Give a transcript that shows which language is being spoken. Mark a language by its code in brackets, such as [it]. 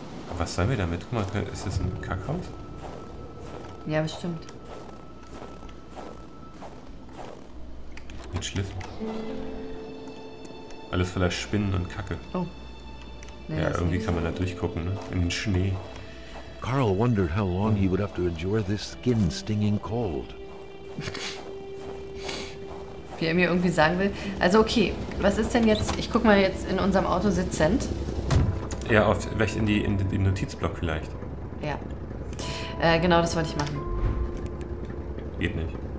[de] Aber was sollen wir damit? Guck mal, ist das ein Kackhaus? Ja, bestimmt. Mit Schlüssel. Alles voller Spinnen und Kacke. Oh. Ja, irgendwie kann man da durchgucken, ne? In den Schnee. [en] Carl wondered how long he would have to endure this skin stinging cold. [de] Wie er mir irgendwie sagen will. Also okay, was ist denn jetzt? Ich guck mal jetzt in unserem Auto sitzend. Ja, auf, vielleicht in den Notizblock vielleicht. Ja. Genau, das wollte ich machen. Geht nicht.